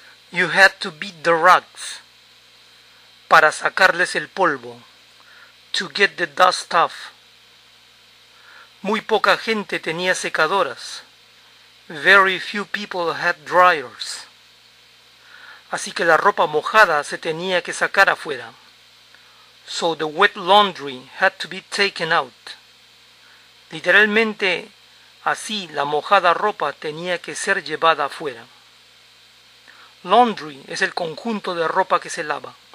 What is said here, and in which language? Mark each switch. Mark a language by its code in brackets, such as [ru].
[en] You had to beat the rugs. [es] Para sacarles el polvo. [en] To get the dust off. [es] Muy poca gente tenía secadoras. [en] Very few people had dryers. [es] Así que la ropa mojada se tenía que sacar afuera. [en] So the wet laundry had to be taken out. [es] Literalmente, así la mojada ropa tenía que ser llevada afuera. Laundry es el conjunto de ropa que se lava.